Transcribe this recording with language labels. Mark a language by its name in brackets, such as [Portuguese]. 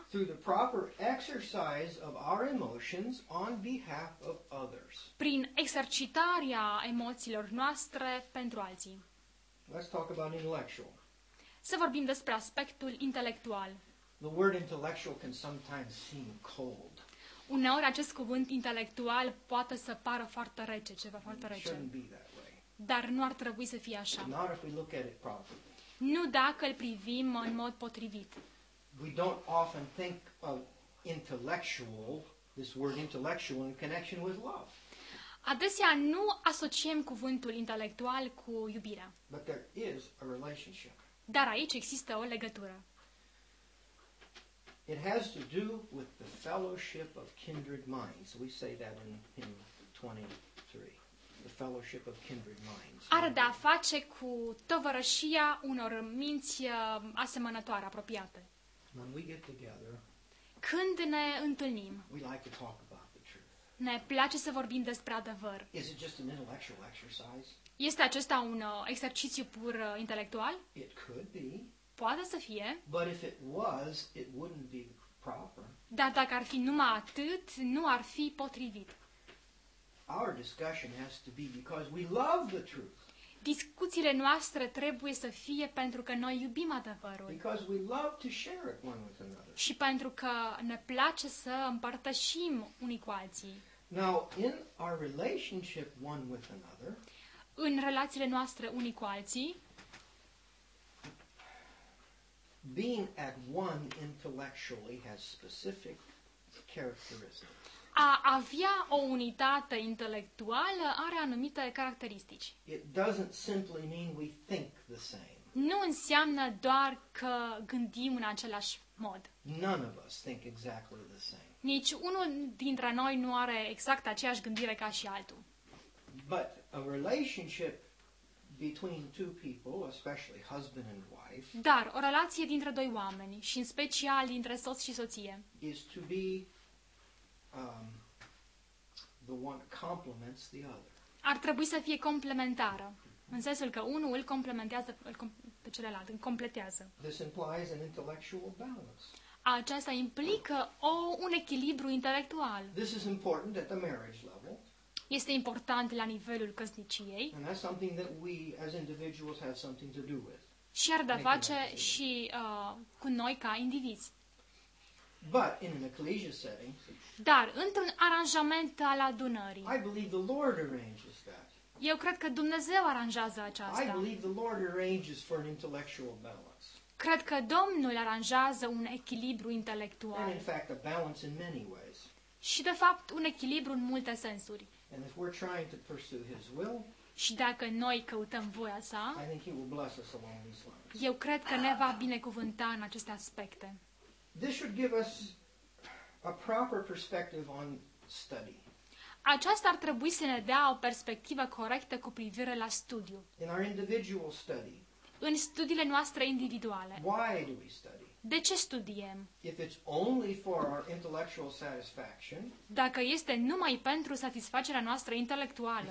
[English] Through the proper exercise of our emotions on behalf of others. [Romanian] Prin exercitarea emoțiilor noastre pentru alții. [English] Let's talk about intellectual. [Romanian] Să vorbim despre aspectul intelectual. [English] The word intellectual can sometimes seem cold. [Romanian] Uneori acest cuvânt intelectual poate să pară foarte rece, ceva foarte rece. Dar nu ar trebui să fie așa. Nu dacă îl privim în mod potrivit. [English] We don't often think of intellectual, this word intellectual, in connection with love. [Romanian] Adesea nu asociem cuvântul intelectual cu iubirea. [English] But there is a relationship. [Romanian] Dar aici există o legătură. [English] It has to do with the fellowship of kindred minds. We say that in hymn 23. The fellowship of kindred minds. [Romanian] Are de a face cu tovărășia unor minți asemănătoare, apropiate. [English] When we get together, [Romanian] când ne întâlnim, [English] we like to talk about the truth. [Romanian] Ne place să vorbim despre adevăr. [English] Is it just an intellectual exercise? [Romanian] Este acesta un exercițiu pur intelectual? [English] It could be. [Romanian] Poate să fie. [English] But if it was, it wouldn't be proper. [Romanian] Dar dacă ar fi numai atât, nu ar fi potrivit. [English] Our discussion has to be because we love the truth. [Romanian] Discuțiile noastre trebuie să fie pentru că noi iubim adevărul. [English] Because we love to share it one with another. [Romanian] Și pentru că ne place să împărtășim unii cu alții. [English] Now, in our relationship one with another, [Romanian] în relațiile noastre unii cu alții, [English] being at one intellectually has specific characteristics. [Romanian] A avea o unitate intelectuală are anumite caracteristici. [English] It doesn't simply mean we think the same. [Romanian] Nu înseamnă doar că gândim în același mod. [English] None of us think exactly the same. [Romanian] Nici unul dintre noi nu are exact aceeași gândire ca și altul. [English] But a relationship between two people, especially husband and wife. [Romanian] Dar o relație dintre doi oameni și în special dintre soț și soție. [English] Is to be the one complements the other. [Romanian] Ar trebui să fie complementară, în sensul că unul îl complementează pe celălalt, îl completează. [English] This implies an intellectual balance. [Romanian] Aceasta implică un echilibru intelectual. [English] This is important at the marriage level. [Romanian] Este important la nivelul căsniciei. [English] And that's something that we as individuals have something to do with. [Romanian] Și ar da face și cu noi ca indivizi. [English] But in an ecclesia setting. [Romanian] Dar într-un aranjament al adunării. [English] I believe the Lord arranges that. [Romanian] Eu cred că Dumnezeu aranjează aceasta. [English] I believe the Lord arranges for an intellectual balance. [Romanian] Cred că Domnul aranjează un echilibru intelectual. [English] And in fact, a balance in many ways. [Romanian] Și de fapt un echilibru în multe sensuri. [English] And if we're trying to pursue his will, [Romanian] și dacă noi căutăm voia sa, [English] I think he will bless us along these lines. [Romanian] Eu cred că ne va binecuvânta în aceste aspecte. [English] This should give us a proper perspective on study. [Romanian] Aceasta ar trebui să ne dea o perspectivă corectă cu privire la studiu. [English] In our individual study, [Romanian] în studiile noastre individuale. [English] Why do we study? [Romanian] De ce studiem? [English] If it's only for our intellectual satisfaction, [Romanian] dacă este numai pentru satisfacerea noastră intelectuală,